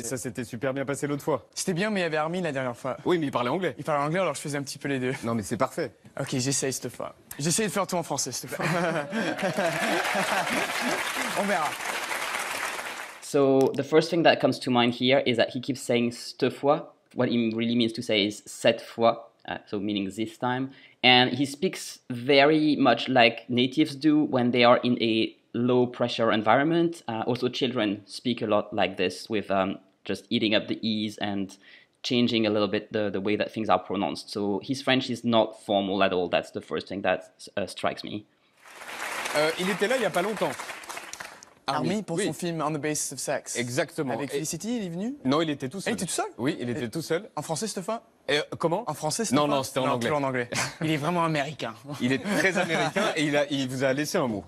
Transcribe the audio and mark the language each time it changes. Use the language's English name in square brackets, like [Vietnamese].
[French] Et ça s'était super bien passé l'autre fois. C'était bien, mais il y avait Armin la dernière fois. Oui, mais il parlait anglais. Il parlait anglais, alors je faisais un petit peu les deux. Non, mais c'est parfait. Ok, j'essaye cette fois. J'essaye de faire tout en français, s'il te plaît. On verra. [English] So, the first thing that comes to mind here is that he keeps saying [French] cette fois. [English] What he really means to say is [French] cette fois, [English] so meaning this time. And he speaks very much like natives do when they are in a low pressure environment. Also, children speak a lot like this with just eating up the E's and changing a little bit the way that things are pronounced. So his French is not formal at all. That's the first thing that strikes me. [French] Il était là il y a pas longtemps. Army pour son film On the Basis of Sex. Exactement. Avec Felicity, il est venu? Non, il était tout seul. Il était tout seul? Oui, il était tout seul. En français, cette fois? Comment? En français, cette fois? Non, c'était en anglais. Toujours en anglais. Il est vraiment américain. Il est très américain et il vous a laissé un mot.